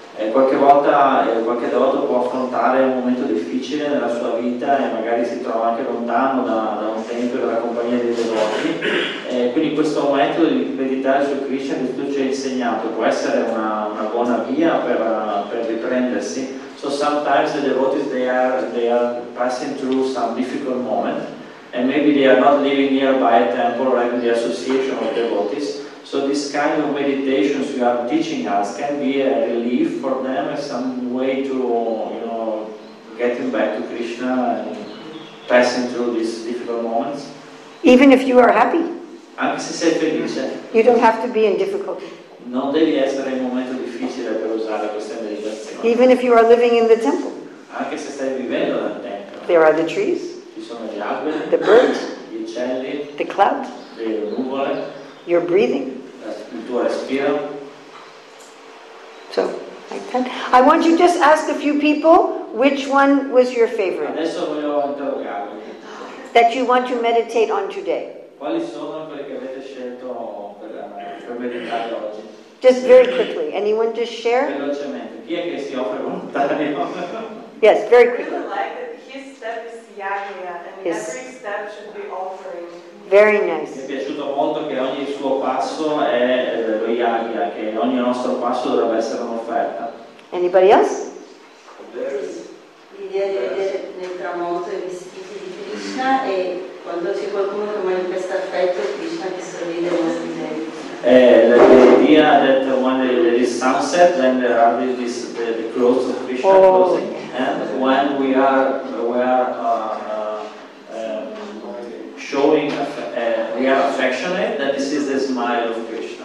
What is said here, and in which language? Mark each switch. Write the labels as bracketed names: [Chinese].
[Italian] Qualche devoto può affrontare un momento difficile nella sua vita e magari si trova anche lontano da un tempio, dalla compagnia dei devoti. Quindi questo metodo di meditare su Krishna che tu ci hai insegnato può essere una buona via per riprendersi. [English] So sometimes the devotees they are passing through some difficult moment and maybe they are not living nearby a temple or even the association of devotees. So this kind of meditations you are teaching us can be a relief for them as some way to, you know, getting back to Krishna and passing through these difficult moments. Even if you are happy. [Italian] Anche se sei felice. [English] You don't have to be in difficulty. [Italian] Non devi essere in un momento difficile per usare questa meditazione. [English] Even if you are living in the temple. [Italian] Anche se stai vivendo nel tempio. [English] There are the trees. [Italian] Ci sono gli alberi. [English] The birds. [Italian] Gli uccelli. [English] The clouds. [Italian] Le nuvole. [English] You're breathing. So, like that. I want you to just ask a few people which one was your favorite. [Italian] Adesso voglio interrogarvi. [English] That you want to meditate on today. [Italian] Quali sono quelle che avete scelto per meditare oggi? [English] Just very quickly. Anyone just share? [Italian] Velocemente. Chi è che si offre volontario? [English] Yes, very quickly. I like that his step is yagya, and his. Every step should be offering. Very nice. [Italian] Mi è piaciuto molto che ogni suo passo è lo yagya, che ogni nostro passo dovrebbe essere un'offerta. [English] Anybody else? [Italian] L'idea di vedere nel tramonto i vestiti di Krishna e quando c'è qualcuno che manifesta affetto, Krishna che sorride ai nostri denti. [English] L'idea that when there is sunset, then there are the clothes of Krishna closing. And when we are affectionate, that this is the smile of Krishna.